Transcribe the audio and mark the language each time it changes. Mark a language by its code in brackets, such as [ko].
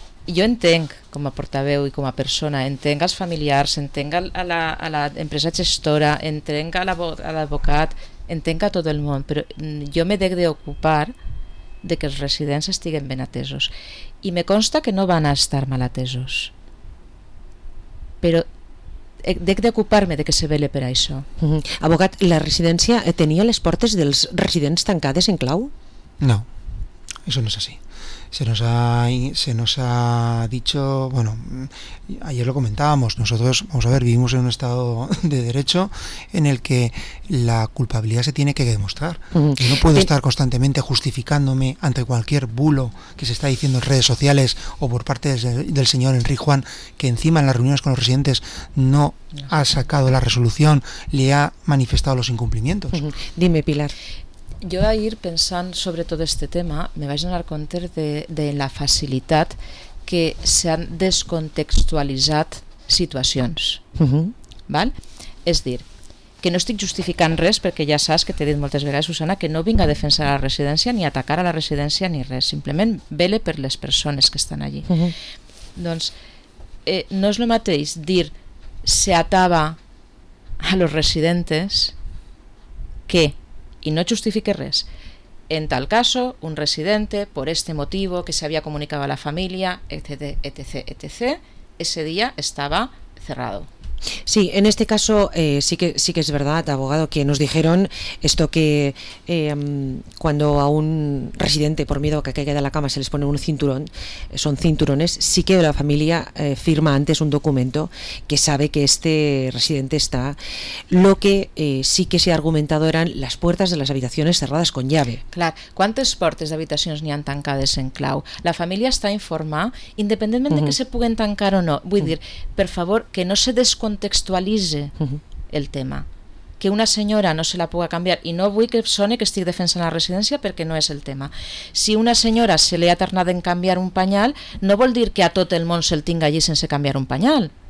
[ca] Jo entenc, com a portaveu i com a persona, entenc als familiars, entenc a la empresa gestora, entenc a l'advocat, entenc a tot el món, però jo m'he d'ocupar de que els residents estiguen ben atesos. I me consta que no van a estar mal atesos. Però he d'ocupar-me de que se vele per això. Abogat, la residència tenia les portes dels residents tancades en clau? No, això no és així. [es] Se nos ha dicho, bueno, ayer lo comentábamos, nosotros, vamos a ver, vivimos en un estado de derecho en el que la culpabilidad se tiene que demostrar. Yo no puedo estar constantemente justificándome ante cualquier bulo que se está diciendo en redes sociales o por parte del señor Enrique Juan, que encima en las reuniones con los residentes no ha sacado la resolución, le ha manifestado los incumplimientos. Dime, Pilar. [ca] Jo ahir, pensant sobre tot aquest tema, me vaig donar compte de la facilitat que s'han descontextualitzat situacions. Val? És a dir, que no estic justificant res, perquè ja saps que t'he dit moltes vegades, Susana, que no vinc a defensar la residència ni a atacar a la residència ni res, simplement vele per les persones que estan allí. Doncs no és el mateix dir [es] se atava a los residentes [ca] que... Y no justifique res. [es] En tal caso, un residente, por este motivo, que se había comunicado a la familia, etc., ese día estaba cerrado. Sí, en este caso sí que es verdad, abogado, que nos dijeron esto, que cuando a un residente, por miedo a que caiga de la cama, se les pone un cinturón, son cinturones, sí que la familia firma antes un documento que sabe que este residente está. Lo que sí que se ha argumentado eran las puertas de las habitaciones cerradas con llave. Claro, ¿cuántas puertas de habitaciones [ca] ni han tancades en clau? [es] La familia está informada, independientemente de que se puedan tancar o no. Voy a decir, por favor, que no se descubra. [ca] Contextualitze el tema, que una senyora no se la pugui canviar, i no vull que soni que estic defensant la residència, perquè no és el tema. Si una senyora se li ha tornat en canviar un panyal, no vol dir que a tot el món se'l tinga allí sense canviar un panyal.